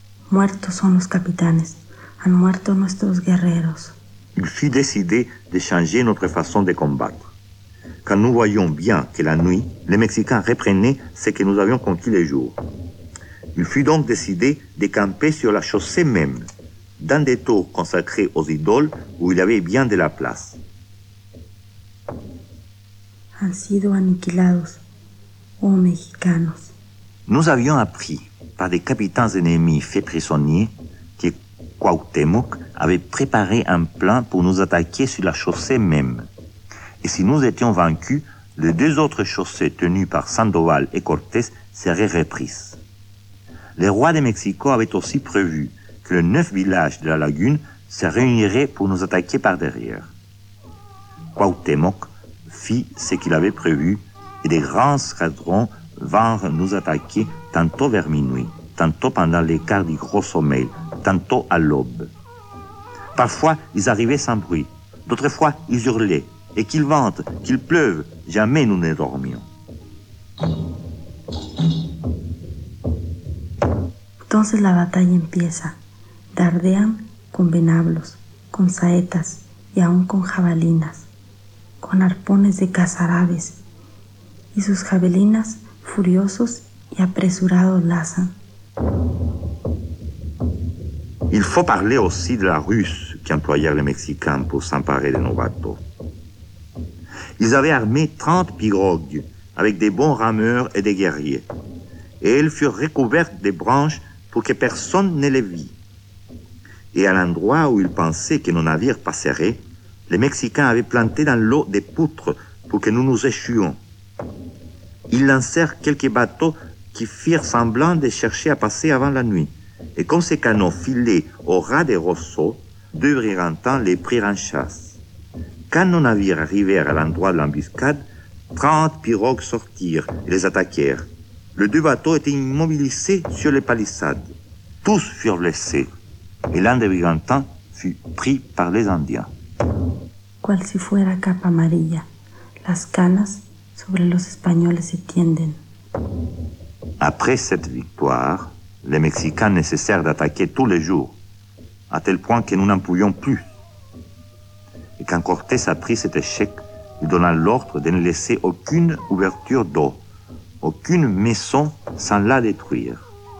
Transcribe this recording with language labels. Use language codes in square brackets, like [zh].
[es] Muertos son los capitanes, han muerto nuestros guerreros. [fr] Il fut décidé de changer notre façon de combattre. Quand nous voyions bien que la nuit, les Mexicains reprenaient ce que nous avions conquis les jours. Il fut donc décidé de camper sur la chaussée même, dans des tours consacrées aux idoles où il y avait bien de la place. [es] Han sido aniquilados, oh mexicanos. [fr] Nous avions appris par des capitaines ennemis faits prisonniers que Cuauhtémoc avait préparé un plan pour nous attaquer sur la chaussée même. Et si nous étions vaincus, les deux autres chaussées tenues par Sandoval et Cortés seraient reprises. Les rois de Mexico avaient aussi prévu que les 9 villages de la lagune se réuniraient pour nous attaquer par derrière. Cuauhtémoc fit ce qu'il avait prévu et des grands escadrons vinrent nous attaquer tantôt vers minuit, tantôt pendant l'écart du gros sommeil, tantôt à l'aube. Parfois, ils arrivaient sans bruit, d'autres fois, ils hurlaient. Et qu'il vente, qu'il pleuve, jamais nous ne dormions. [es] Entonces la batalla empieza. Dardean con venablos, con saetas y aún con jabalinas, con arpones de cazar aves. Y sus jabalinas, furiosos y apresurados, lanzan. [fr] Il faut parler aussi de la ruse qu'employèrent les Mexicains pour s'emparer de nos bateaux. Ils avaient armé 30 pirogues avec des bons rameurs et des guerriers. Et elles furent recouvertes de branches pour que personne ne les vît. Et à l'endroit où ils pensaient que nos navires passeraient, les Mexicains avaient planté dans l'eau des poutres pour que nous nous échouions. Ils lancèrent quelques bateaux qui firent semblant de chercher à passer avant la nuit. Et comme ces canons filaient au ras des roseaux, deux brigantins les prirent en chasse. Quand nos navires arrivèrent à l'endroit de l'embuscade, 30 pirogues sortirent et les attaquèrent. Les deux bateaux étaient immobilisés sur les palissades. Tous furent blessés et l'un des brigantins fut pris par les Indiens. [es] Cual si fuera capa amarilla, las canas sobre los españoles se tienden. [fr] Après cette victoire, les Mexicains ne cessèrent d'attaquer tous les jours, à tel point que nous n'en pouvions plus. Et quand Cortés a pris cet échec, il donna l'ordre de ne laisser aucune ouverture d'eau, aucune maison sans la détruire.